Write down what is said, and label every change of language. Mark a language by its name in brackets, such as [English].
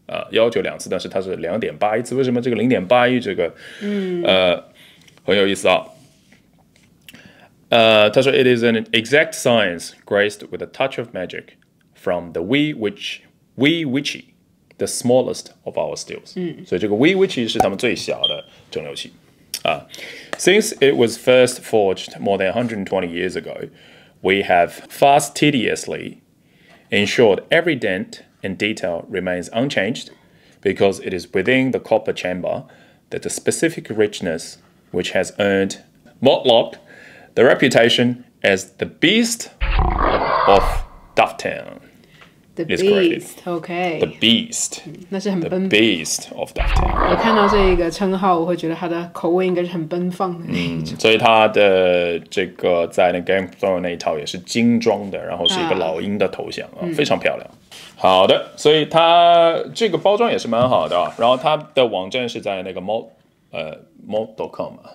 [Chinese] 要求两次，但是它是2.8一次，为什么这个0.8一这个很有意思啊。他说 [English] It is an exact science graced with a touch of magic from the Wee Witchy, the smallest of our stills。 [Chinese] 所以这个 Wee Witchy 是他们最小的蒸馏器。 [English] Since it was first forged more than 120 years ago, we have fastidiously ensured every dent,and detail remains unchanged because it is within the copper chamber that the specific richness which has earned Motlock the reputation as the beast of Dufftown. The beast, okay. The beast. [Chinese] 那是很奔放。 [English] The beast of that town. [Chinese] 我看到这一个称号，我会觉得他的口味应该是很奔放的那一种。所以他的这个在那 Game of Thrones 那一套也是精装的，然后是一个老鹰的头像、非常漂亮。好的，所以他这个包装也是蛮好的、然后他的网站是在那个 malt.com。